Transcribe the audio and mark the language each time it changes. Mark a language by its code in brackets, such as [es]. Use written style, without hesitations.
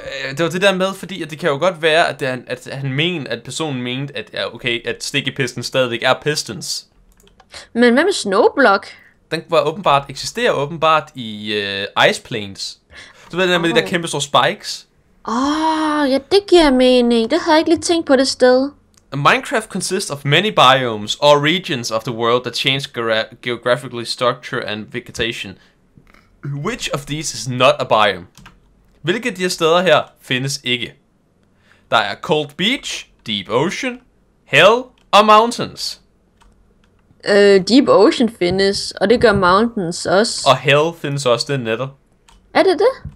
[da] det var det der med, fordi at det kan jo godt være, at, det, at han mente, at personen mente, at ja, okay, at sticky pistons stadig er pistons. Men hvad med snowblock? Den var åbenbart, eksisterer åbenbart i ice plains. Du ved det der med de der kæmpe store spikes? Ja, det giver mening. Det havde jeg ikke lige tænkt på det sted. [en] Minecraft consists of many biomes or regions of the world that change geographically structure and vegetation. Which of these is not a biome? [da] Hvilke af de her steder her findes ikke? Der er cold beach, deep ocean, hell og mountains. Deep ocean findes, og det gør mountains også. Og hell findes også, det netter. Er det det?